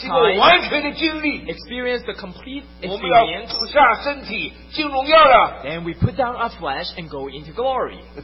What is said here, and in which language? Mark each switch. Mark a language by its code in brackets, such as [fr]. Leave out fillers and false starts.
[zh] 经过完全的经历, [en] experience the complete experience. [zh] 我们要脱下身体, 进荣耀了, then we put down our flesh and go into glory.